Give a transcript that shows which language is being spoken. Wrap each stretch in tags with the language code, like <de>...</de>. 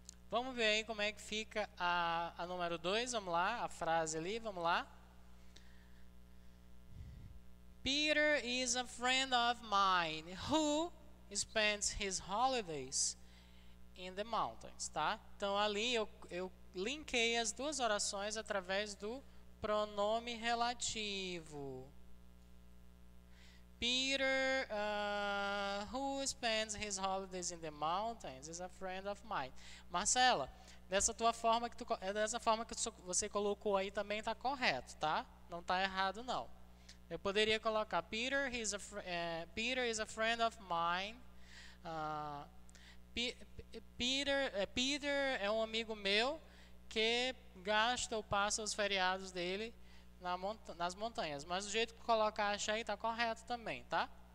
<pt>Vamos ver aí como é que fica a número 2, vamos lá, a frase ali, vamos lá.</pt> <en>Peter is a friend of mine who spends his holidays in the mountains, tá?</en> <pt>Então ali eu linkei as duas orações através do pronome relativo.</pt> <en>Peter, who spends his holidays in the mountains, is a friend of mine.</en> <pt>Marcela, dessa forma que você colocou aí também está correto, tá? Não está errado, não. Eu poderia colocar, Peter é um amigo meu que gasta ou passa os feriados dele nas montanhas, mas o jeito que colocaste aí tá correto também, tá?</pt>